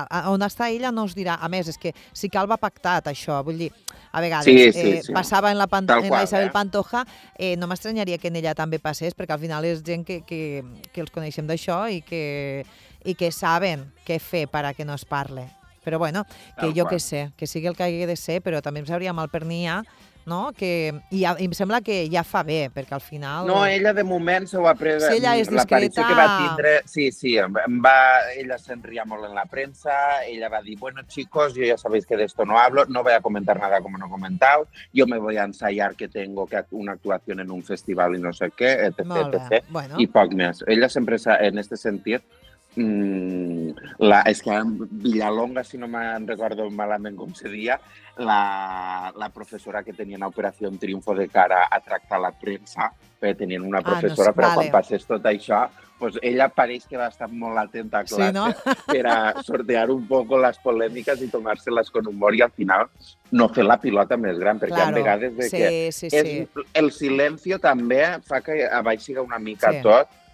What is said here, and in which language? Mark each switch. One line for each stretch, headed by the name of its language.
Catalan: on està ella no es dirà. A més, és que si cal va pactat això, vull dir, a vegades passava en la Isabel Pantoja, no m'estranyaria que en ella també passés, perquè al final és gent que els coneixem d'això i que saben què fer per a que no es parle. Però bueno, que jo què sé, que sigui el que hagi de ser, però també em sabria mal per Nia, no? I em sembla que ja fa bé, perquè al final... No, ella de moment s'ho ha pres... Si ella és discreta... Que va tindre, sí, ella se'n ria molt en la premsa, ella va dir,
Spanish: bueno, chicos, yo ya sabéis que de esto no hablo, no voy a comentar nada como no he comentado, yo me voy a ensayar que tengo una actuación en un festival y no sé qué, etc.
Catalan: Bueno. I poc més. Ella sempre, en este sentit, és que en Villalonga, si no me'n recordo malament com se dia, la professora que tenien a Operació Triunfo de cara a tractar la premsa, tenien una professora, però quan passés tot això, pues ella pareix que va estar molt atenta a classe per a sortear un poc les polèmiques i tomar-se-les con humor i al final no fer la pilota més gran, perquè a vegades el silenci també fa que abaixi una mica tot.